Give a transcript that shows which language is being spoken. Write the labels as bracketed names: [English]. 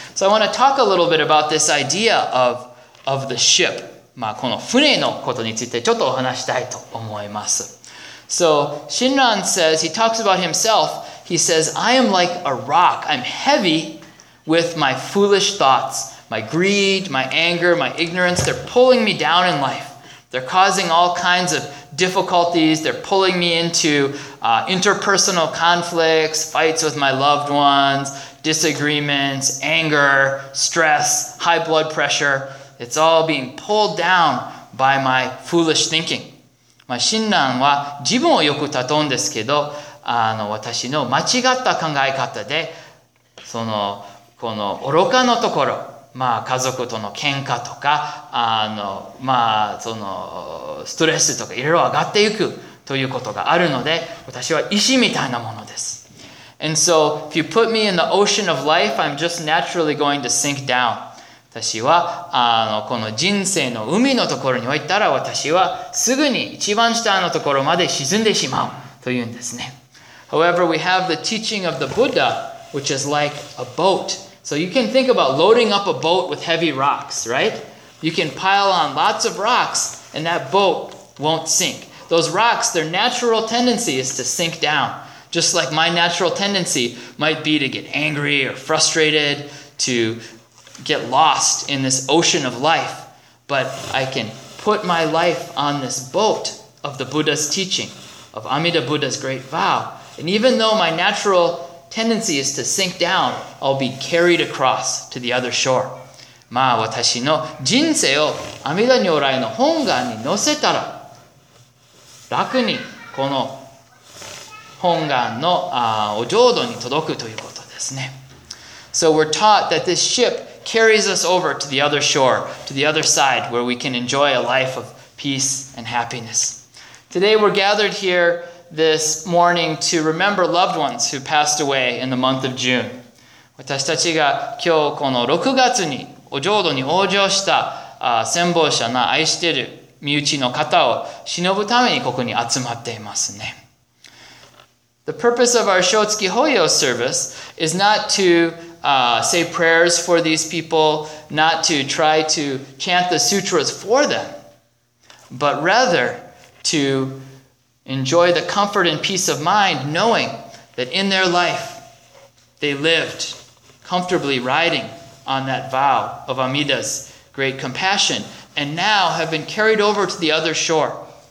[English] So I want to talk a little bit about this idea of the ship. [Japanese] まあこの船のことについてちょっとお話したいと思います。 [English] So Shinran says, he talks about himself, he says, I am like a rock, I'm heavy with my foolish thoughts, my greed, my anger, my ignorance, they're pulling me down in life, they're causing all kinds of difficulties, they're pulling me into interpersonal conflicts, fights with my loved ones, disagreements, anger, stress, high blood pressure, it's all being pulled down by my foolish thinking. [Japanese] まあ、親鸞は自分をよく例うんですけど、あの、私の間違った考え方で、その、この愚かのところ、まあ、家族との喧嘩とか、あの、まあ、その、ストレスとかいろいろ上がっていくということがあるので、私は石みたいなものです。 [English] And so, if you put me in the ocean of life, I'm just naturally going to sink down. [Japanese] 私はあのこの人生の海のところに置いたら、私はすぐに一番下のところまで沈んでしまうというんですね。 [English] However, we have the teaching of the Buddha, which is like a boat. So you can think about loading up a boat with heavy rocks, right? You can pile on lots of rocks and that boat won't sink. Those rocks, their natural tendency is to sink down. Just like my natural tendency might be to get angry or frustrated, to... get lost in this ocean of life, but I can put my life on this boat of the Buddha's teaching, of Amida Buddha's great vow. And even though my natural tendency is to sink down, I'll be carried across to the other shore. [Japanese] まあ私の人生を阿弥陀如来の本願に乗せたら、楽にこの本願のお浄土に届くということですね。 [English] So we're taught that this ship carries us over to the other shore, to the other side, where we can enjoy a life of peace and happiness. Today we're gathered here this morning to remember loved ones who passed away in the month of June. [Japanese] 私たちが今日この6月にお浄土に往生した先方者の愛している身内の方を偲ぶためにここに集まっていますね。 [English] The purpose of our Shōtsuki Hōyō service is not to say prayers for these people, not to try to chant the sutras for them, but rather to enjoy the comfort and peace of mind knowing that in their life they lived comfortably riding on that vow of Amida's great compassion and now have been carried over to the other shore.